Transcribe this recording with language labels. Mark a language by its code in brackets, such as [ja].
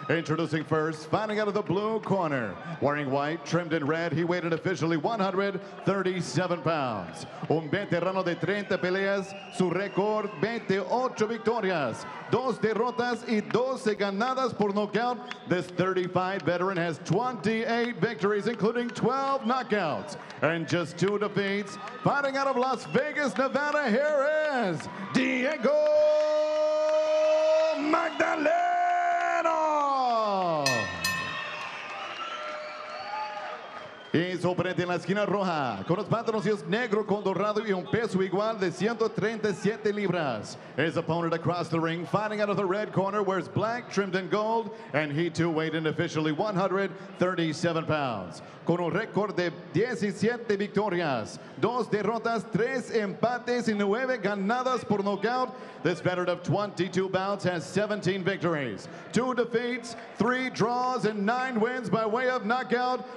[en] Introducing first, fighting out of the blue corner. Wearing white, trimmed in red, he weighed an officially 137 pounds. [es] Un veterano de 30 peleas, su récord 28 victorias, 2 derrotas y 12 ganadas por knockout. [en] This 35 veteran has 28 victories, including 12 knockouts, and just 2 defeats. Fighting out of Las Vegas, Nevada, here is Diego Magdaleno. [es] Y su oponente en la esquina roja, con los pantaloncillos negro con dorado y un peso igual de 137 libras. [en] His opponent across the ring, fighting out of the red corner, wears black, trimmed in gold, and he too weighed in officially 137 pounds. [es] Con un récord de 17 victorias, 2 derrotas, 3 empates y 9 ganadas por knockout, [en] this veteran of 22 bouts has 17 victories, 2 defeats, 3 draws, and 9 wins by way of knockout.